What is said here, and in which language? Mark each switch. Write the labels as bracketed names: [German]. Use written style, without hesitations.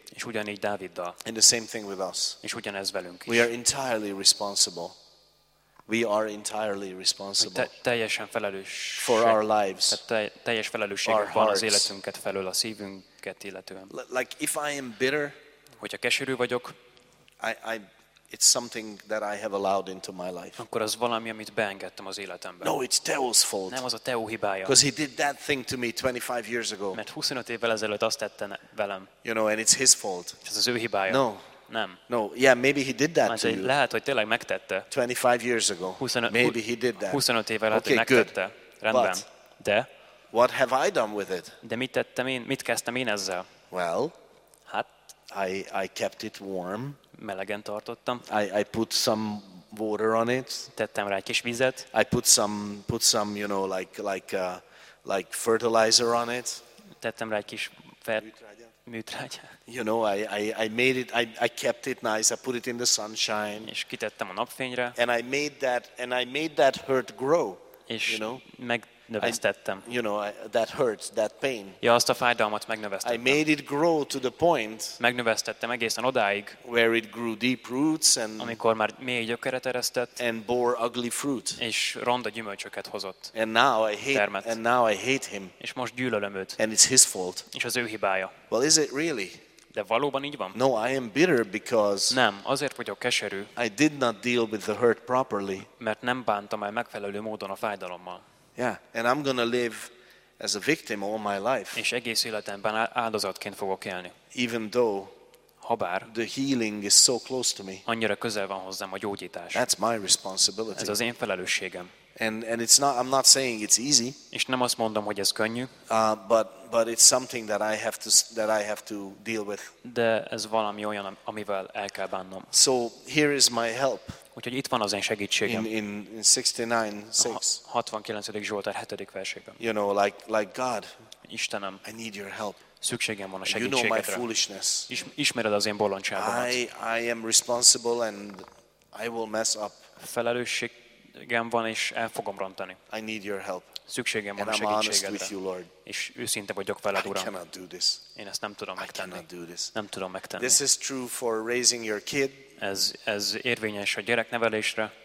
[Hungarian] És ugyanígy Dáviddal. [English] And the same thing with us. [Hungarian] És ugyanez velünk is. [English] We are entirely responsible. We are entirely responsible. [Hungarian] Teljesen felelős. [English] For our lives. [Hungarian] Teljes felelősségünk van az életünket felől, a szívünket illetően. [English] Like if I am bitter, [Hungarian] hogyha keserű vagyok, [English] I it's something that I have allowed into my life. [Hungarian] Akkor az valami, amit beengedtem az életembe. [English] No, it's Teo's fault. [Hungarian] Nem az a Teo hibája. [English] Because he did that thing to me 25 years ago. [Hungarian] Mert 25 évvel ezelőtt azt tette velem. [English] You know, and it's his fault. [Hungarian] Ez az ő hibája. [English] No. [Hungarian] Nem. [English] No, yeah, maybe he did that to you. [Hungarian] Lehet, hogy tényleg megtette. [English] 25 years ago. Maybe he did that. [Hungarian] 25 évvel lehet, hogy megtette. Rendben. De? [English] What have I done with it? [Hungarian] De mit tettem én? Mit kezdtem én ezzel? [English] Well, [Hungarian] hát [English] I kept it warm. [Hungarian] Melegen tartottam. [English] I put some water on it. [Hungarian] Tettem rá egy kis vizet. [English] I put some, you know, like fertilizer on it. [Hungarian] Tettem rá egy kis műtrágyát. [English] You know, I made it, I kept it nice. I put it in the sunshine. [Hungarian] És kitettem a napfényre. [English] And I made that hurt grow. [Hungarian] És [English] you know? [Hungarian] Megnövesztettem. [English] You know, that hurt, that pain. [Hungarian] Ja, azt a fájdalmat megnövesztettem. [English] I made it grow to the point. [Hungarian] Megnövesztettem egészen odáig. [English] Where it grew deep roots and. [Hungarian] Amikor már mély gyökeret eresztett. [English] And bore ugly fruit. [Hungarian] És ronda gyümölcsöket hozott. [English] And now I hate him. [Hungarian] És most gyűlölöm őt. [English] And it's his fault. [Hungarian] És az ő hibája. [English] Well, is it really? [Hungarian] De valóban így van. [English] No, I am bitter because [Hungarian] nem, azért vagyok keserű. [English] I did not deal with the hurt properly. [Hungarian] Mert nem bántam el megfelelő módon a fájdalommal. [English] Yeah, and I'm gonna live as a victim all my life. [Hungarian] És egész életemben áldozatként fogok élni. [English] Even though [Hungarian] habár [English] the healing is so close to me. [Hungarian] Annyira közel van hozzám a gyógyítás. [English] That's my responsibility. [Hungarian] Ez az én felelősségem. [English] And it's not, I'm not saying it's easy. [Hungarian] És nem azt mondom, hogy ez könnyű. [English] But it's something that I have to deal with. [Hungarian] De ez valami olyan, amivel el kell bánnom. [English] So here is my help. [Hungarian] Úgyhogy itt van az én segítségem. [English] In 69:6. [Hungarian] 69. Zsoltár 7. versében. [English] You know, like God. [Hungarian] Istenem. [English] I need your help. [Hungarian] Szükségem van a segítségedre. [English] You know my foolishness. [Hungarian] Ismered az én bolondságomat. [English] I am responsible and I will mess up. [Hungarian] Felelősségem van és el fogom rontani. [English] I need your help. [Hungarian] Szükségem van a segítségedre. És őszinte vagyok veled, Uram. [English] I cannot do this. [Hungarian] Én ezt nem tudom megtenni. [English] I cannot do this. [Hungarian] Nem tudom megtenni. [English] This is true for raising your kid. [Hungarian] Ez érvényes a gyereknevelésre.